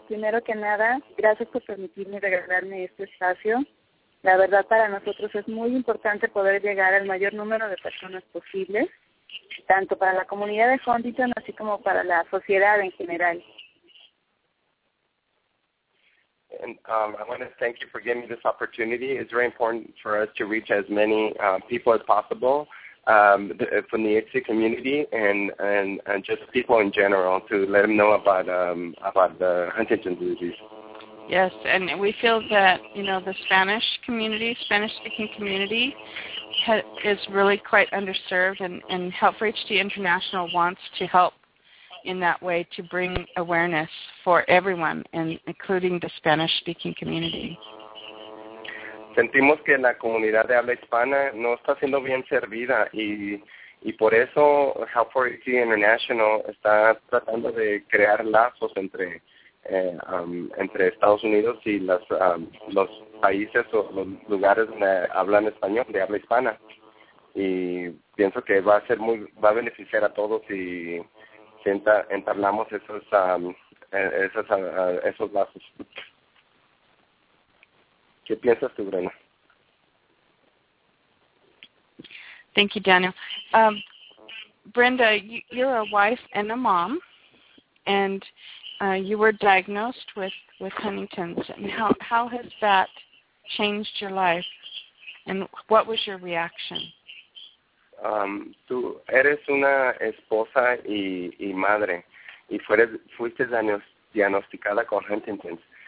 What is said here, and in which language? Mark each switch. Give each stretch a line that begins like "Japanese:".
Spanish: Primero que nada, gracias por permitirme regalarme este espacio. La verdad, para nosotros es muy importante poder llegar al mayor número de personas posibles, tanto para la comunidad de Huntington, así como para la sociedad en general.
English: And I want to thank you for giving me this opportunity. It's very important for us to reach as many people as possible from the HD community and just people in general to let them know about the Huntington's disease. Yes, and we feel that, you know, the Spanish-speaking community is really quite underserved, and Help for HD International wants to help in that way to bring awareness for everyone, and including the Spanish-speaking community.
Spanish: Sentimos que la comunidad de habla hispana no está siendo bien servida, y por eso Help for HD International está tratando de crear lazos entre Estados Unidos y los países o los lugares donde hablan español, de habla hispana. Y pienso que va a beneficiar a todos si entablamos esos lazos. ¿Qué piensas tú, Brenda?
English: Thank you, Daniel. Brenda, you're a wife and a mom, and you were diagnosed with Huntington's, and how has that changed your life, and what was your reaction?
Spanish: Tú eres una esposa y madre, y fuiste diagnosticada con Huntington's.